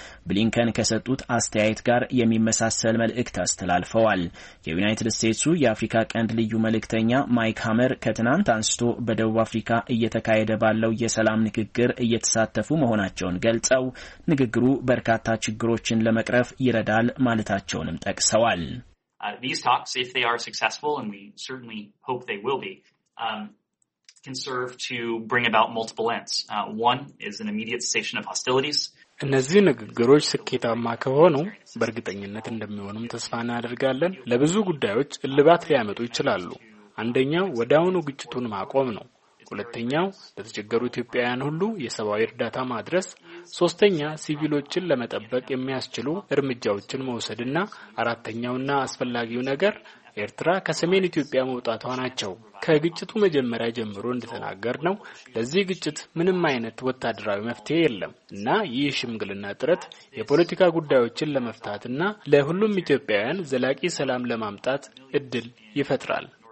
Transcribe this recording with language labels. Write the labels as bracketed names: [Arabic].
[Amharic] ብሊንከን ከሰጡት አስተያየት ጋር የሚመሳሰል መልእክት አስተላልፈዋል። የዩናይትድ ስቴትሱ የአፍሪካ ቀንድ ልዩ መልእክተኛ ማይክ ሃመር ከትናንት አንስቶ በደቡብ አፍሪካ እየተካሄደ ባለው የሰላም ንግግር እየተሳተፉ መሆናቸውን ገልጸው ንግግሩ በርካታ ችግሮችን ለመቅረፍ ይረዳል ማለታቸውንም ጠቅሰዋል። [English] These talks, if they are successful, and we certainly hope they will be, can serve to bring about multiple ends. One is an immediate cessation of hostilities. [Amharic] እነዚህ ንግግሮች ስኬታማ ከሆኑ በእርግጠኝነት እንደሚሆኑም ተስፋ እናደርጋለን። ለብዙ ጉዳዮች እልባት ሊያመጡ ይችላሉ። አንደኛው ወዳውኑ ግጭቱን ማቆም ነው። ሁለተኛው ለተቸገሩ ኢትዮጵያውያን ሁሉ የሰብአዊ እርዳታ ማድረስ፣ ሶስተኛ ሲቪሎችን ለመጠበቅ የሚያስችሉ እርምጃዎችን መውሰድና አራተኛውና አስፈላጊው ነገር ኤርትራ ከሰሜን ኢትዮጵያ መውጣቷ ናቸው። ከግጭቱ መጀመሪያ ጀምሮ እንደተናገርነው ለዚህ ግጭት ምንም አይነት ወታደራዊ መፍትሄ የለም እና ይህ ሽምግልና ጥረት የፖለቲካ ጉዳዮችን ለመፍታትና ለሁሉም ኢትዮጵያውያን ዘላቂ ሰላም ለማምጣት እድል ይፈጥራል።